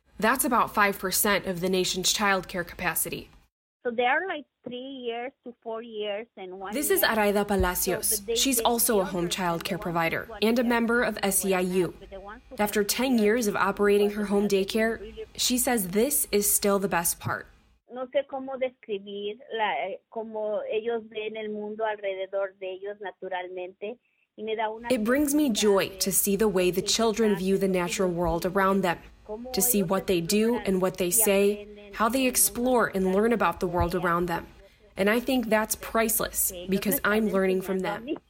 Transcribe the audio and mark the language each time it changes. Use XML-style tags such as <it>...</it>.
<en>That's about 5% of the nation's child care capacity. So there are like 3 years to 4 years and one. This is Araida Palacios. So She's also a home child care provider and a member of SEIU. After 10 years of operating her home daycare, she says this is still the best part.</en> <es>No sé cómo describir cómo ellos ven el mundo alrededor de ellos naturalmente.</es> <en>It brings me joy to see the way the children view the natural world around them, to see what they do and what they say, how they explore and learn about the world around them. And I think that's priceless because I'm learning from them.</en>